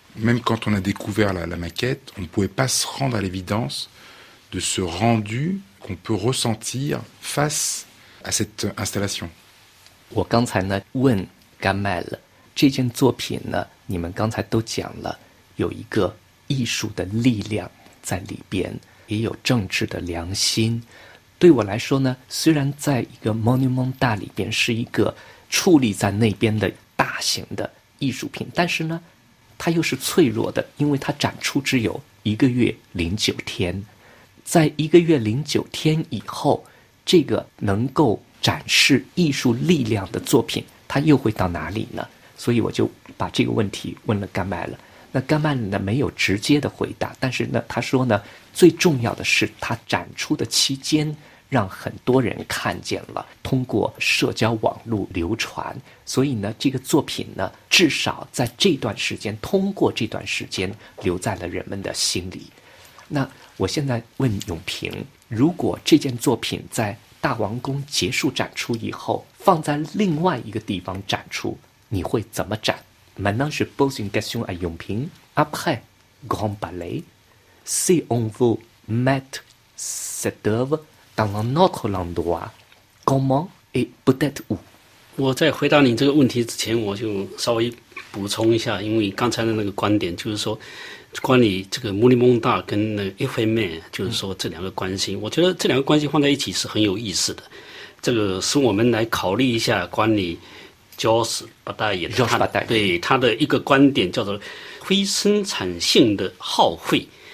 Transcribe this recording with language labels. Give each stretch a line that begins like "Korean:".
French: Même quand on a découvert la maquette, on ne pouvait pas se rendre à l'évidence de ce rendu qu'on peut ressentir face à cette installation. Je vous ai demandé, Gamal, cette œuvre, vous avez dit, il y a une force de l'art dedans.
Chinese: 也有政治的良心。对我来说呢，虽然在一个 monumental 里边是一个矗立在那边的大型的艺术品，但是呢，它又是脆弱的，因为它展出只有1个月09天。在1个月09天以后，这个能够展示艺术力量的作品，它又会到哪里呢？所以我就把这个问题问了甘麦了。那甘曼呢没有直接的回答，但是呢他说呢，最重要的是他展出的期间让很多人看见了，通过社交网络流传，所以呢这个作品呢至少在这段时间，通过这段时间留在了人们的心里。那我现在问永平，如果这件作品在大王宫结束展出以后放在另外一个地方展出，你会怎么展？
French: Maintenant, je pose une question à Yongping. Après Grand Palais, si on veut mettre cette œuvre dans un autre endroit, comment et peut-être où ?
Chinese: 我在回答你这个问题之前，我就稍微补充一下，因为刚才的那个观点就是说，关于这个 monumental 跟那个 éphémère， 就是说这两个关系，我觉得这两个关系放在一起是很有意思的。这个使我们来考虑一下关于。Josh Bataille， 对他的一个观点叫做非生产性的耗费。